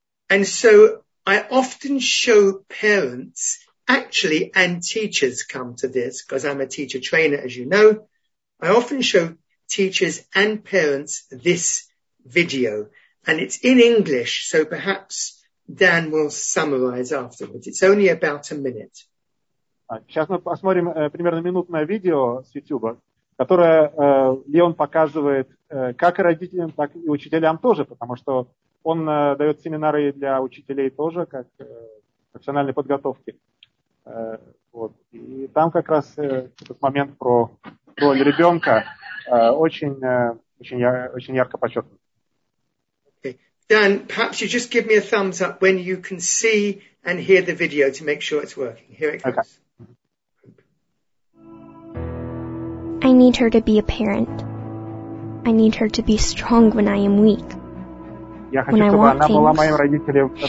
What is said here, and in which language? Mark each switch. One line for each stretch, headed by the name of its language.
English: And so I often show parents, actually, and teachers come to this, because I'm a teacher trainer, as you know. I often show teachers and parents this video, and it's in English, so perhaps Dan will summarize afterwards. It's only about a minute.
Russian: Сейчас мы посмотрим примерно минутное видео с YouTube, которое Леон показывает как родителям, так и учителям тоже, потому что он дает семинары для учителей тоже, как профессиональной подготовки. Вот. И там как раз этот момент про роль ребенка очень ярко подчеркнут.
English: Okay. Dan, perhaps you just give me a thumbs up when you can see and hear the video to make sure it's working. Here it comes. Okay. I need her to be a parent. I need her to be strong when I am weak. When I want things,